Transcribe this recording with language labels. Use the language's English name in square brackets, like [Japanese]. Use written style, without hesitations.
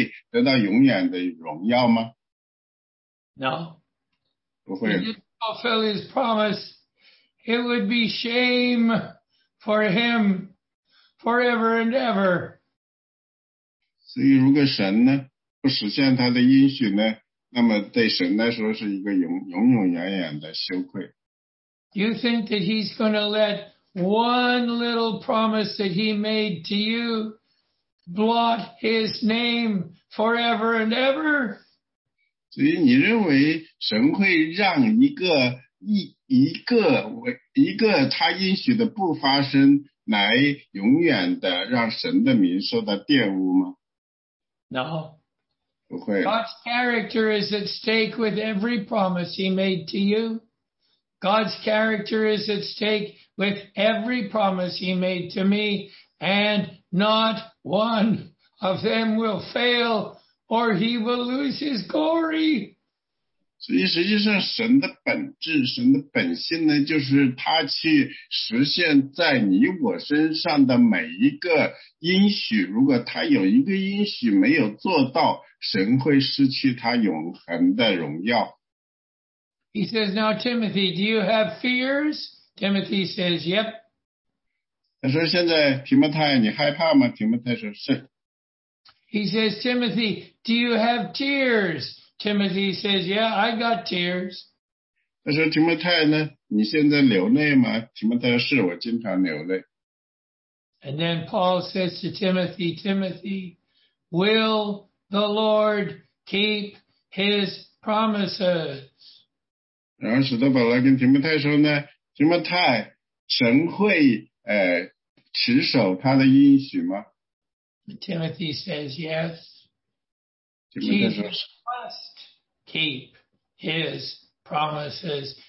[Chinese] 所以呢，如果你真的有一丝毫这样的机会，你去了天堂以后，你跟神说呢，神啊，您答应了这些，您应许了这些，您就没有去做。你认为如果这些事情发生呢，神会得到永远的荣耀吗？ [English] No. He didn't fulfill his promise. It would be shame for him forever and ever. [Chinese] 所以如果神呢，不实现他的应许呢，那么对神来说是一个永永远远的羞愧。 [English] Do you think that he's going to let one little promise that he made to you blot his name forever and ever? [Chinese] 所以你认为神会让一个他应许的不发生来永远的让神的名受到玷污吗？ [English] No. Okay. God's character is at stake with every promise he made to you. God's character is at stake with every promise he made to me, and not one of them will fail, or he will lose his glory. [Chinese] 所以实际上神的本质神的本性呢就是他去实现在你我身上的每一个应许如果他有一个应许没有做到神会失去他永恒的荣耀。 [English] He says, now Timothy, do you have fears? Timothy says, yep. [Chinese] 他说现在提摩太你害怕吗提摩太说是。 [English] He says, Timothy, do you have tears? Timothy says, yeah, I got tears. [Chinese] 他说提摩太呢你现在流泪吗提摩太是我经常流泪。 [English] And then Paul says to Timothy, Timothy, will the Lord keep his promises? [Chinese] 然后使徒保罗跟提摩太说呢提摩太神会持守他的应许吗 [English] Timothy says, yes. Jesus must keep his promises.